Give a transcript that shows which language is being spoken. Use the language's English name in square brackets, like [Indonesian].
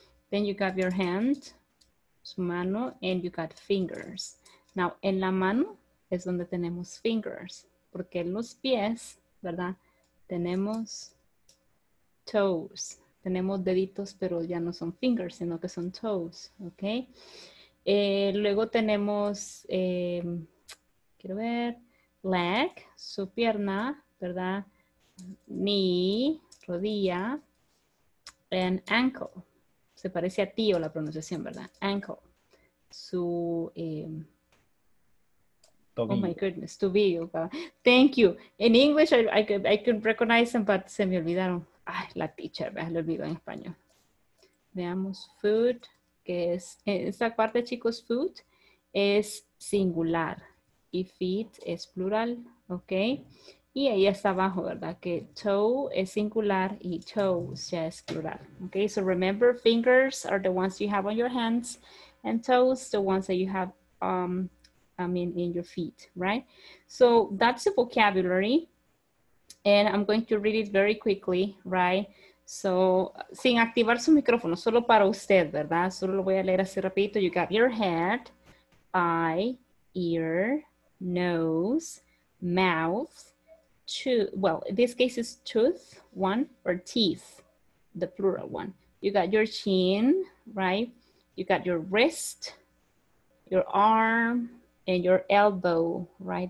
[English] Then you got your hand, [Spanish] su mano, [English] and you got fingers. [Spanish] Now, en la mano es donde tenemos fingers, porque en los pies, ¿verdad? Tenemos toes, tenemos deditos, pero ya no son fingers, sino que son toes, ¿ok? Luego tenemos, quiero ver, leg, su pierna, ¿verdad? [English] Knee, rodilla, and ankle. [Spanish] Se parece a tío la pronunciación, ¿verdad? Ankle. Su, tobillo. [English] Oh my goodness, tobillo. Thank you. In English, I could recognize them, but [Spanish] se me olvidaron. Ay, la teacher, ¿verdad? Lo olvidó en español. Veamos, foot, que es, en esta parte, chicos, foot es singular. Y feet es plural, ¿ok? Y ahí está abajo, ¿verdad? Que toe es singular y toes ya es plural. [English] Okay, so remember, fingers are the ones you have on your hands and toes the ones that you have, in your feet, right? So that's the vocabulary. And I'm going to read it very quickly, right? [Spanish] So, sin activar su micrófono, solo para usted, ¿verdad? Solo lo voy a leer así rapidito. [English] You got your head, eye, ear, nose, mouth, well, in this case is tooth, one, or teeth, the plural one. You got your chin, right? You got your wrist, your arm, and your elbow, right?